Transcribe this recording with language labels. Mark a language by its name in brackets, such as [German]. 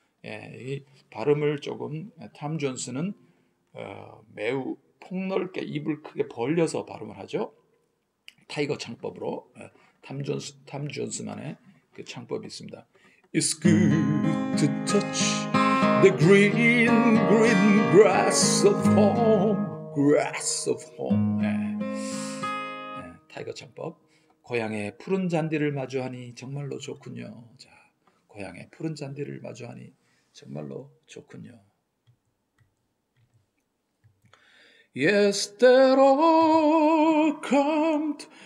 [Korean] 예, 이 발음을 조금 탐 존스는 매우 폭넓게 입을 크게 벌려서 발음을 하죠. 타이거 창법으로 탐 존스만의 그 창법이 있습니다. [English] It's good to touch the green green grass of home, grass of home. [Korean] 예. 예, 타이거 창법. 고향의 푸른 잔디를 마주하니 정말로 좋군요. 자, 고향의 푸른 잔디를 마주하니 정말로 좋군요. [English] Yes, that all come.